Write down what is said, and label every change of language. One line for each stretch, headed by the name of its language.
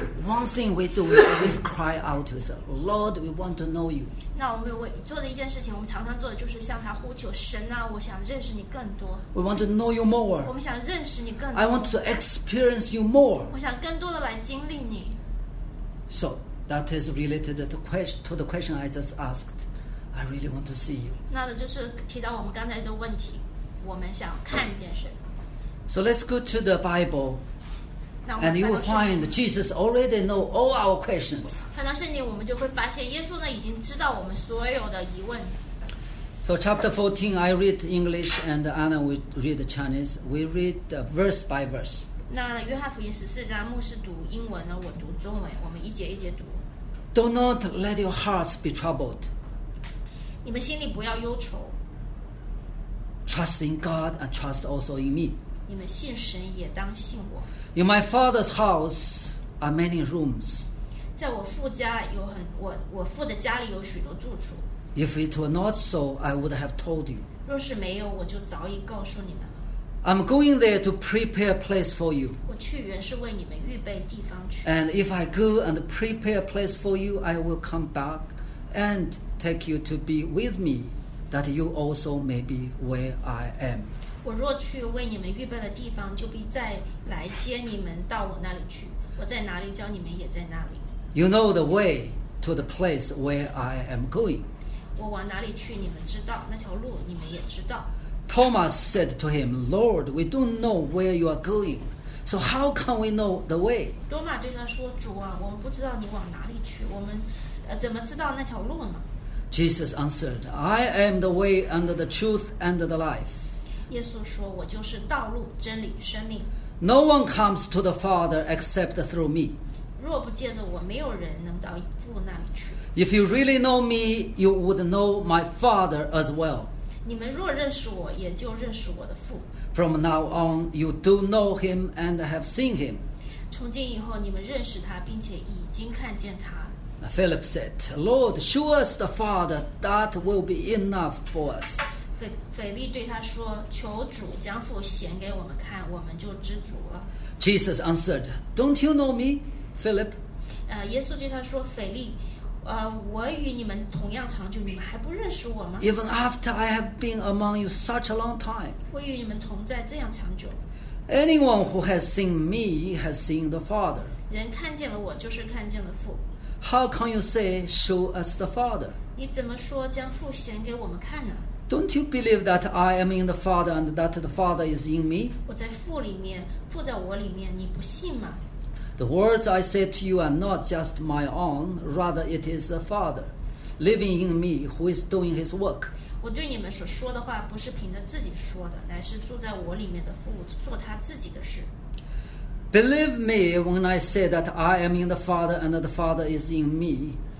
English: One thing we do, we always cry out to God, Lord, we want to know you.
Chinese: 那我们做的一件事情，我们常常做的就是向他呼求，神啊，我想认识你更多。
English: We want to know you more.
Chinese: 我们想认识你更多。
English: I want to experience you more.
Chinese: 我想更多的来经历你。
English: So. That is related to the question I just asked. I really want to see you.
Chinese: 那就是提到我们刚才的问题，我们想看见神。
English: So let's go to the Bible, and you will find Jesus already know all our questions.
Chinese: 看到圣经，我们就会发现耶稣呢已经知道我们所有的疑问。
English: So chapter 14, I read English, and Anna will read Chinese. We read verse by verse.
Chinese: 那约翰福音十四章牧师读英文呢，我读中文，我们一节一节读。
English: Do not let your hearts be troubled.
Chinese: 你们心里不要忧愁。
English: Trust in God and trust also in me.
Chinese: 你们信神也当信我。
English: In my father's house are many rooms.
Chinese: 在我父家有很我父的家里有许多住处。
English: If it were not so, I would have told you.
Chinese: 若是没有，我就早已告诉你们。
English: I'm going there to prepare a place for you.
Chinese: 我去原是为你们预备地方去。
English: And if I go and prepare a place for you, I will come back and take you to be with me, that you also may be where I am.
Chinese: 我若去为你们预备的地方，就必再来接你们到我那里去。我在哪里叫你们也在哪里。
English: You know the way to the place where I am going.
Chinese: 我往哪里去，你们知道，那条路你们也知道。
English: Thomas said to him, Lord, we don't know where you are going, so how can we know the way?
Chinese: 多马对他说，主啊，我们不知道你往哪里去，我们怎么知道那条路呢？
English: Jesus answered, I am the way and the truth and the life.
Chinese: 耶稣说，我就是道路、真理、生命。
English: No one comes to the Father except through me.
Chinese: 若不借着我，没有人能到父那里去。
English: If you really know me, you would know my Father as well.
Chinese: 你们若认识我，也就认识我的父。
English: From now on, you do know him and have seen him.
Chinese: 从今以后，你们认识他，并且已经看见他。
English: Philip said, "Lord, show us the Father, that will be enough for us."
Chinese: 腓力对他说，求主将父显给我们看，我们就知足了。
English: Jesus answered, "Don't you know me, Philip?"
Chinese: 耶稣对他说，腓力。我与你们同样长久，你们还不认识我吗？
English: Even after I have been among you such a long time.
Chinese: 我与你们同在这样长久。
English: Anyone who has seen me has seen the Father.
Chinese: 人看见了我，就是看见了父。
English: How can you say, show us the Father?
Chinese: 你怎么说将父显给我们看呢？
English: Don't you believe that I am in the Father and that the Father is in me?
Chinese: 我在父里面，父在我里面，你不信吗？
English: The words I say to you are not just my own, rather it is the Father living in me who is doing his work.
Chinese: 我对你们所说的话不是凭着自己说的，乃是住在我里面的父做他自己的事。
English: Believe me when I say that I am in the Father and the Father is in me.